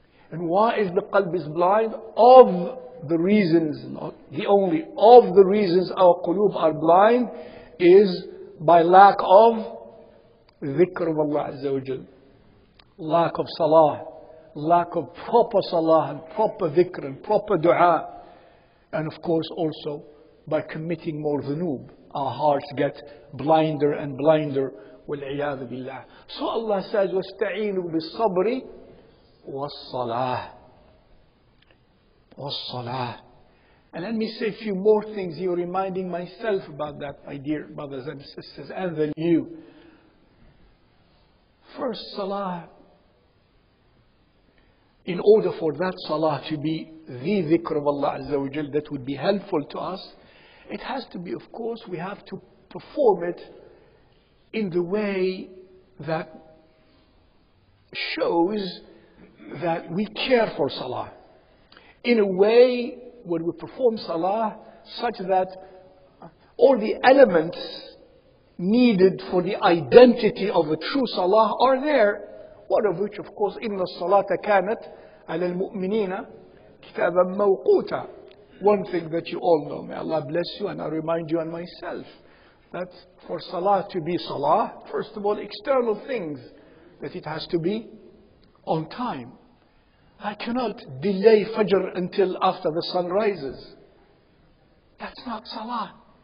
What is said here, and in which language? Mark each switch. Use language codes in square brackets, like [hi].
[en] And why is the qalb is blind? Of the reasons, not the only, of the reasons our qulub are blind is by lack of dhikr of Allah Azza wa Jal. Lack of salah, lack of proper salah and proper dhikr and proper dua. And of course also by committing more dhunub, our hearts get blinder and blinder. [ar] وَالْعِيَاذُ بِاللَّهِ. [en] So Allah says, [ar] وَاسْتَعِينُوا بِالصَّبْرِ وَالصَّلَاةِ وَالصَّلَاةِ. [en] And let me say a few more things. You're reminding myself about that, my dear brothers and sisters, and then you. First, salah. In order for that salah to be the dhikr of Allah Azza wa Jal that would be helpful to us, it has to be, of course, we have to perform it in the way that shows that we care for salah. In a way, when we perform salah, such that all the elements needed for the identity of a true salah are there. One of which, of course, [ar] إِنَّ الصَّلَاةَ كَانَتْ عَلَى الْمُؤْمِنِينَ كِتَابًا مَوْقُوتًا. [en] One thing that you all know, may Allah bless you, and I remind you and myself, that for salah to be salah, first of all, external things, that it has to be on time. I cannot delay Fajr until after the sun rises. That's not salah.